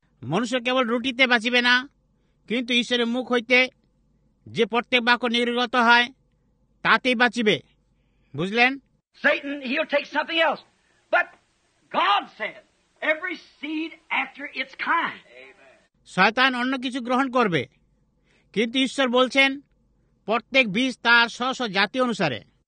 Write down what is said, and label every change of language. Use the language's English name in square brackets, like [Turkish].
[Bangla] মনুষ্য কেবল রুটিতে বাঁচিবে না, কিন্তু ঈশ্বরের মুখ হইতে যে প্রত্যেক বাক্য নির্গত হয় তাতেই বাঁচিবে। বুঝলেন? [English] Satan, he'll take something else. But God said, every seed after its kind. [Bangla] শয়তান অন্য কিছু গ্রহণ করবে, কিন্তু ঈশ্বর বলছেন প্রত্যেক বীজ তার স্ব স্ব জাতি অনুসারে।